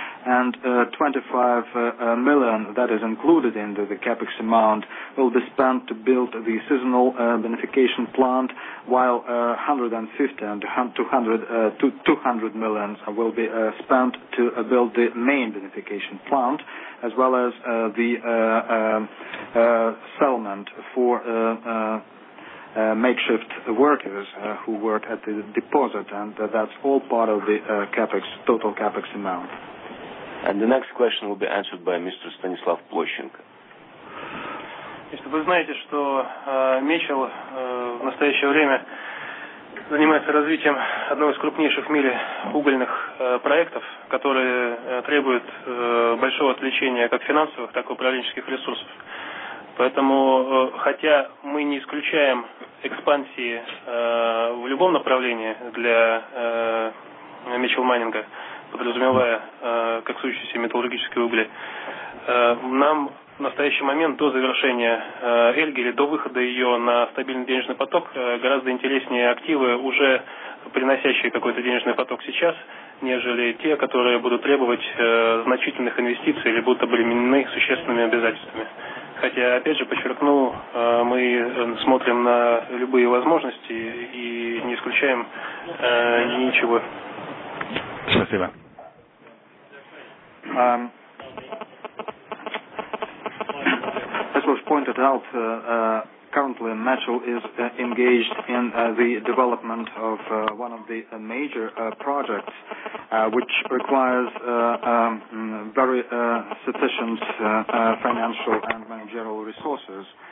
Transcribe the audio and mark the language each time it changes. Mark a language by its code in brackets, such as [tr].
[en] And 25 million that is included in the CapEx amount will be spent to build the seasonal beneficiation plant, while 150 and 200 million will be spent to build the main beneficiation plant, as well as the settlement for makeshift workers who work at the deposit, and that's all part of the CapEx, total CapEx amount. And the next question will be answered by Mr. Stanislav Plushenko. [ru] Если вы знаете, что Мичел в настоящее время занимается развитием одного из крупнейших в мире угольных проектов, который требует большого отвлечения как финансовых, так и управленческих ресурсов. Поэтому, хотя мы не исключаем экспансии в любом направлении для Мичел Майнинга, подразумевая коксующиеся металлургические угли, нам в настоящий момент до завершения Эльги или до выхода ее на стабильный денежный поток гораздо интереснее активы, уже приносящие какой-то денежный поток сейчас, нежели те, которые будут требовать значительных инвестиций или будут обременены существенными обязательствами. Хотя, опять же, подчеркну, мы смотрим на любые возможности и не исключаем ничего. Спасибо. [en] As was pointed out, currently Metro is engaged in the development of one of the major projects, which requires very sufficient financial and managerial resources.